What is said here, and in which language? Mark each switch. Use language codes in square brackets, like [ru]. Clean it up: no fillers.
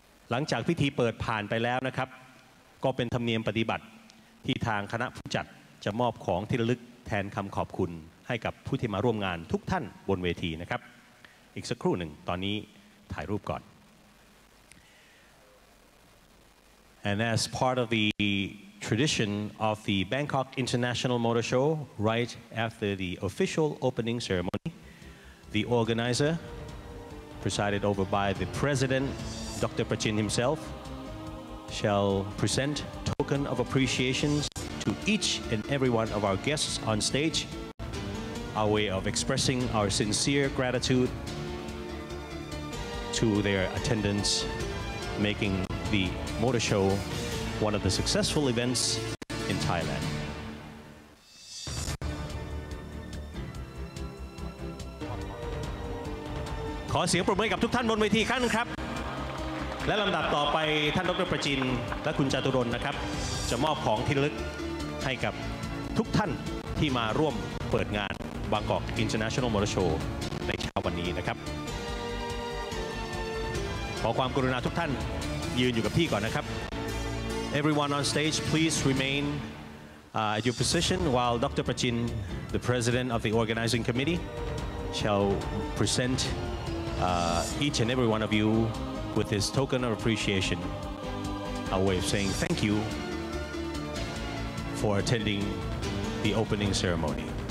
[th] หลังจากพิธีเปิดผ่านไปแล้วนะครับก็เป็นธรรมเนียมปฏิบัติที่ทางคณะผู้จัดจะมอบของที่ระลึกแทนคำขอบคุณให้กับผู้ที่มาร่วมงานทุกท่านบนเวทีนะครับอีกสักครู่หนึ่งตอนนี้ถ่ายรูปก่อน [en] And as part of the tradition of the Bangkok International Motor Show right after the official opening ceremony the organizer presided over by the presidentDr. Prachin himself shall present token of appreciation to each and every one of our guests on stage, our way of expressing our sincere gratitude to their attendance, making the motor show one of the successful events in Thailand. [th] ขอเสียงปรบมือกับทุกท่านบนเวทีครั้งนึงครับและลำดับต่อไปท่านดร.ประจินและคุณจตุรนต์นะครับจะมอบของที่ระลึกให้กับทุกท่านที่มาร่วมเปิดงานบางกอก International Motor Show ในเช้าวันนี้นะครับขอความกรุณาทุกท่านยืนอยู่กับที่ก่อนนะครับ [en] Everyone on stage please remain at your position while Dr. Prachin the president of the organizing committee shall present each and every one of youwith his token of appreciation, a way of saying thank you for attending the opening ceremony.